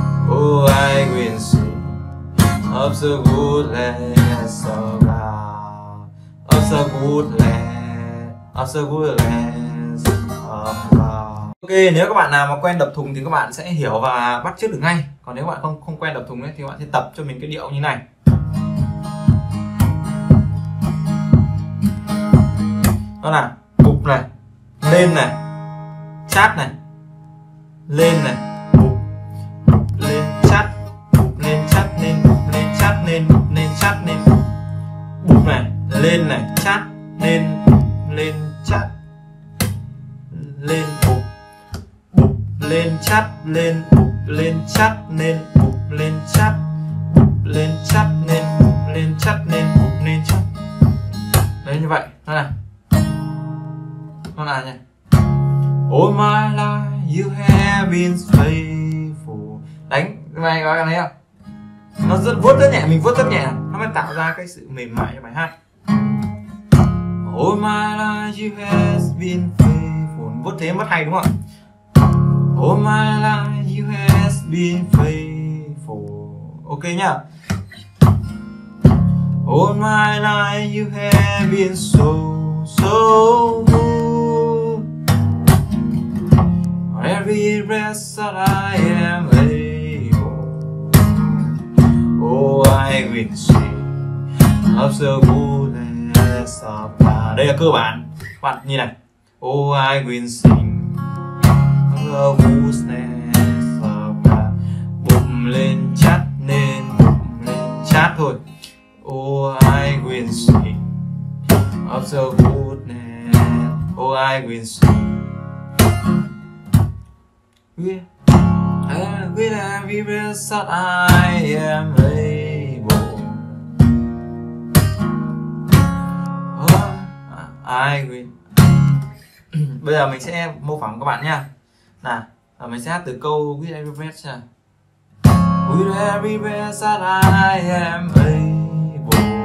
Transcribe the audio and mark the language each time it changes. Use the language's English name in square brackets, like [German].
[English] Oh, I will sing of the goodness of God. Of the goodness, of the goodness of God. [Vietnamese] Ok, nếu các bạn nào mà quen đập thùng thì các bạn sẽ hiểu và bắt chước được ngay. Còn nếu các bạn không quen đập thùng ấy, thì các bạn sẽ tập cho mình cái điệu như này. Đó là bục này, lên này, chát này, lên này, bục, lên, chát, bục, lên, chát, lên, bục, lên, chát, lên, bục, lên, chát, lên, bục này, lên này, chát, lên, lên, chát, lên, bục. Lên chắt, lên bục, lên chắt, lên bục, lên chắt, lên chắt, lên bục, lên chắt, lên bục, lên chắt. Đấy, như vậy, nó là. Nó là nhỉ. [English] All my life you have been faithful. [Vietnamese] Đánh, mày có cái này không? Nó rất vuốt rất nhẹ, mình vuốt rất nhẹ. Nó mới tạo ra cái sự mềm mại cho bài hát. [English] All my life you have been faithful. [Vietnamese] Vuốt thế mất hay đúng không ạ? [English] All my life you have been faithful. [Vietnamese] Ok nhá. [English] All my life you have been so, so good. Every breath that I am able. Oh, I will sing of the goodness of God. [Vietnamese] Đây là cơ bản. Bạn nhìn này. [English] Oh, I will sing the goodness of God. [Vietnamese] Bụng lên chát, nên bụng lên chát thôi. [English] Oh, I will sing of the goodness. Oh, I will sing. Yeah. With every breath that I am able. Oh, I will. [Vietnamese] Bây giờ mình sẽ mô phỏng các bạn nha. Nào, và mình sẽ hát từ câu [English] with every breath. With every breath that I am able.